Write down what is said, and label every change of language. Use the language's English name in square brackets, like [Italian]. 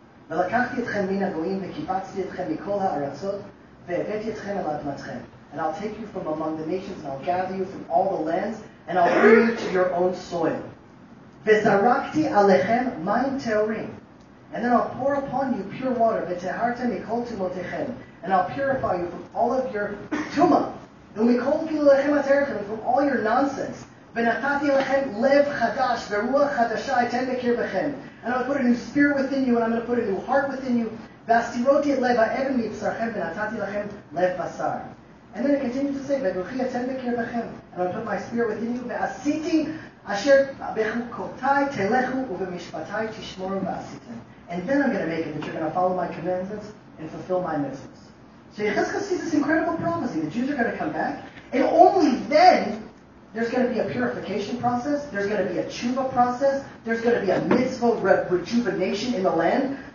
[Hebrew] וְלָקַחְתִי אתכם מִן הַגּוֹיִם וְקִבַּצְתִי אתכם מִכֹּל הָאָרָצוֹת וְהֵבֵאתִי אתכם אל אַדְמַתְכֵם. [English] And I'll take you from among the nations, and I'll gather you from all the lands, and I'll bring you to your own soil. [Hebrew] וְזָרַקְתִי עַלֵּיכֶם מַיִם טֵהוּרִים. [English] And then I'll pour upon you pure water. [Hebrew] וְטֵהַרְתֶם מִכֹּל טֻמֹּאֹתֵיכֶם. [English] And I'll purify you from all of your tumah. [Hebrew] וּמִכֹּל גִּלּוּיִכֶם הַטֵּרֶךֶם, [English] from all your nonsense. [Hebrew] וְנַתַּתִי לָכֶם לֵב חָדָשׁ וְרוּחַ חָדָשָׁה אֵתֵן בְּקִרְבֶּכֶם. [English] And I'm going to put a new spirit within you, and I'm going to put a new heart within you. [Hebrew] וַעֲשִׂיתִי אֶת לֵב הָאֶבֶן מִבְשָׁרְכֶם, וְנַתַּתִי לָכֶם לֵב בָּשָׁר. [English] And then it continues to say, [Hebrew] וְרוּחִי אֵתֵן בְּקִרְבֶּכֶם. [English] And I'll put my spirit within you. [Hebrew] וַעֲשִׂיתִי אֲשֶׁר בְּחֻקֹּתַי תֵּלֵךוּ וּבְמִשְׁפָּטַי תִּשְׁמֹרוּ וַעֲשִׂיתֶם. [English] And then I'm going to make it that you're going to follow my commandments and fulfill my mitzvahs. So Yechezkel sees this incredible prophecy. The Jews are going to come back, and only then there's going to be a purification process. There's going to be a tshuva process. There's going to be a mitzvah rejuvenation in the land.